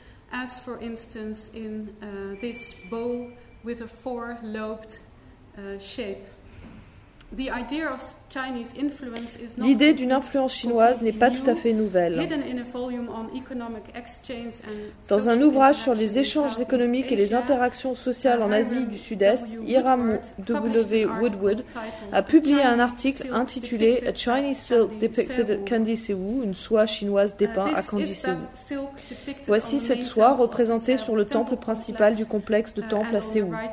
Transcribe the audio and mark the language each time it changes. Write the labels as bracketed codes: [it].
[en] As for instance in this bowl with a four-lobed shape. The idea of Chinese influence is not [fr] L'idée d'une influence chinoise n'est pas tout à fait nouvelle. [en] Hidden in a volume on economic exchange and [fr] Dans un ouvrage sur les échanges économiques et les interactions sociales en Asie du Sud-Est, Hiram W. Woodward a publié un article intitulé A Chinese Silk Depicted at Candy Sewu, une soie chinoise dépeinte à Candy Sewu. Voici cette soie représentée sur le temple principal du complexe de temples à Sewu.